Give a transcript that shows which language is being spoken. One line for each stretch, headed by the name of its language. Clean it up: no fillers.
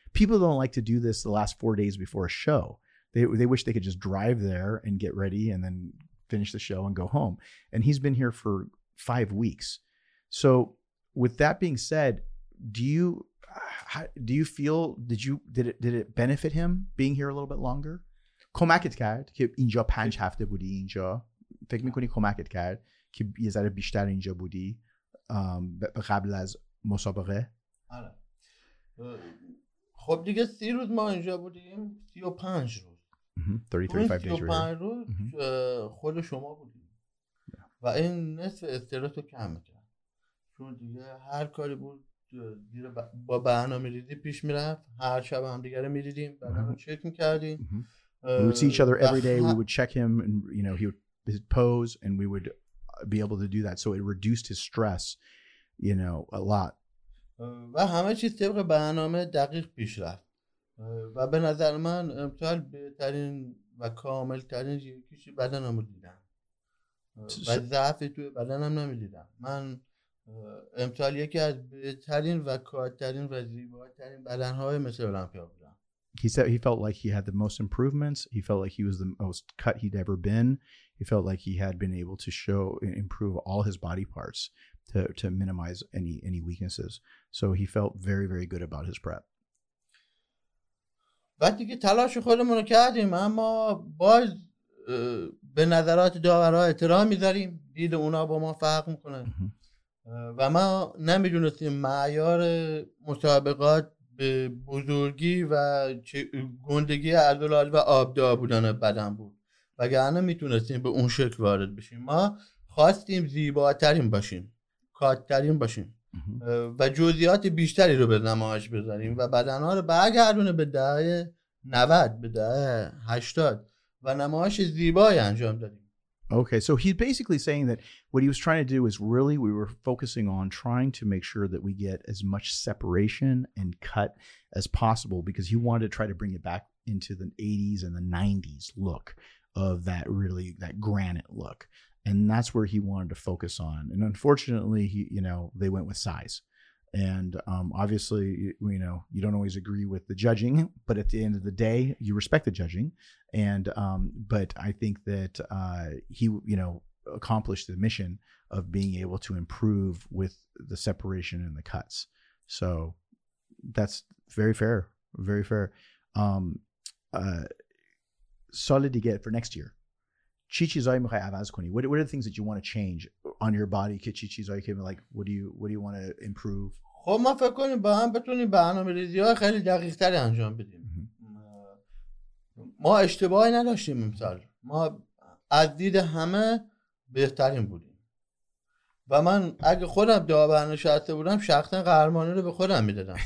English: People don't like to do this the last 4 days before a show. They wish they could just drive there and get ready and then finish the show and go home. And he's been here for 5 weeks. So with that being said, did it benefit him being here a little bit longer?
Persian: کمکت کرد که اینجا پنج هفته بودی اینجا فکر میکنی کمکت کرد که یه ذره بیشتر اینجا بودی قبل از مسابقه؟ آره. خب دیگه 30 روز ما اینجا بودیم 35 روز 35 روز خود شما بودیم و این نصف استرس رو کم میکرد چون دیگه هر کاری بود دیگه با برنامه ریزی پیش میرفت هر شب هم دیگه رو میدیدیم برنامه چک میکردیم
English: We would see each other every day. We would check him and, you know, his pose, and we would be able to do that. So it reduced his stress, you know, a lot.
Persian: و همه چیز طبق برنامه دقیق پیش رفت. و به نظر من امسال بهترین و کاملترین چیزی بدنم رو دیدم. و ضعفی توی بدنم نمیدیدم. من امسال یکی از بهترین و کارترین و زیباترین بدنهای مثل المپیا بودم.
English: He said he felt like he had the most improvements. He felt like he was the most cut he'd ever been. He felt like he had been able to show and improve all his body parts to minimize any weaknesses. So he felt very, very good about his prep.
Persian: بعد دیگه تلاش خودمون رو کردیم اما باز به نظرات داورا احترام می‌ذاریم. دید اونا با ما فرق می‌کنه. و ما نمی‌دونستیم معیار مسابقات بزرگی و گندگی عضلات و آبدار بودن بدن بود وگرنه میتونستیم به اون شکل وارد بشیم ما خواستیم زیباترین باشیم کاتترین باشیم و جزئیات بیشتری رو به نمایش بذاریم و بدنها رو برگردونه به دهه 90 به دهه 80 و نمایش زیبایی انجام دادیم.
English: Okay, so he's basically saying that what he was trying to do is really we were focusing on trying to make sure that we get as much separation and cut as possible because he wanted to try to bring it back into the 80s and the 90s look of that really that granite look. And that's where he wanted to focus on. And unfortunately, they went with size. And obviously, you know, you don't always agree with the judging, but at the end of the day, you respect the judging. And but I think that he, you know, accomplished the mission of being able to improve with the separation and the cuts. So that's very fair, very fair. Solid to get for next year. What are the things that you want to change on your body? Like, what do you want to improve?
Persian: خب ما فکر کنیم با هم بتونیم برنامه ریزی های خیلی دقیق تری انجام بدیم. ما اشتباهی نداشتیم امسال. ما از دید همه بهترین بودیم و من اگه خودم داور نشسته بودم شخصا قهرمانی رو به خودم میدادم.